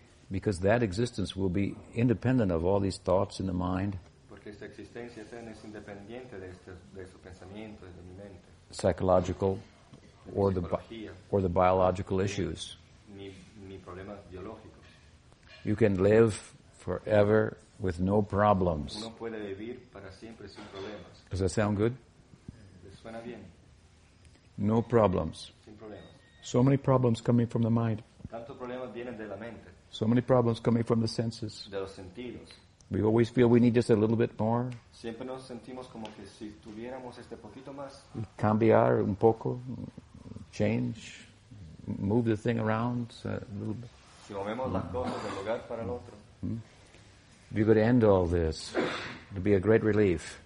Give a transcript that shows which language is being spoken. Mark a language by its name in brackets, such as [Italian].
[English] Because that existence will be independent of all these thoughts in the mind. [Spanish] Porque esta existencia eterna es independiente de estos pensamientos de mi mente. [English] Psychological or the biological issues. [Spanish] Mi problemas biológicos. [English] You can live forever with no problems. [Spanish] Uno puede vivir para siempre sin problemas. [English] Does that sound good? [Spanish] Suena bien. [English] No problems. [Spanish] Sin problemas. [English] So many problems coming from the mind. [Spanish] Tanto problemas vienen de la mente. [English] So many problems coming from the senses. [Spanish] De los sentidos. [English] We always feel we need just a little bit more. [Spanish] Siempre nos sentimos como que si tuviéramos este poquito más. Cambiar un poco, [English] change, move the thing around a little bit. [Spanish] Si movemos las cosas del lugar para el otro. [English] If you could end all this, it would be a great relief.